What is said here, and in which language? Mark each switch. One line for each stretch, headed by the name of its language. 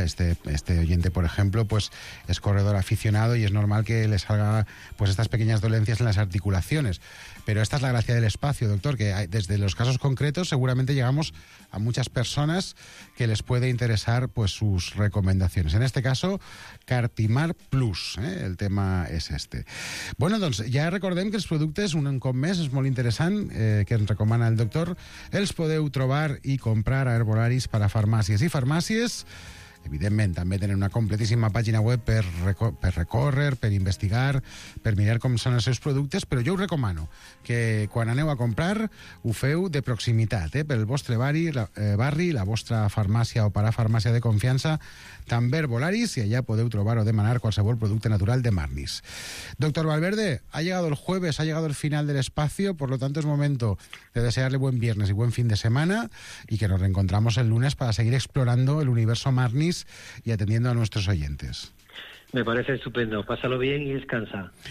Spanish: Este oyente, por ejemplo, pues es corredor aficionado y es normal que le salga pues estas pequeñas dolencias en las articulaciones. Pero esta es la gracia del espacio, doctor, que desde los casos concretos seguramente llegamos a muchas personas que les puede interesar pues sus recomendaciones. En este caso, Cartimar Plus, ¿eh? El tema es este.
Catalan: Bueno, entonces, ya recordem que els productes, un cop més, és molt interessant, que ens recomana el doctor. Els podeu trobar i comprar a Herbolaris per a farmàcies i farmàcies. Evidentment, també tenen una completíssima pàgina web per recórrer, per investigar, per mirar com són els seus productes, però jo us recomano que quan aneu a comprar ho feu de proximitat, eh? Pel vostre barri, la vostra farmàcia o parafarmàcia de confiança, també Herbolaris, i allà podeu trobar o demanar qualsevol producte natural de Marnis.
Spanish: Doctor Valverde, ha llegado el jueves, ha llegado el final del espacio, por lo tanto es momento de desearle buen viernes y buen fin de semana y que nos reencontramos el lunes para seguir explorando el universo Marnis y atendiendo a nuestros oyentes. Me parece estupendo. Pásalo bien y descansa.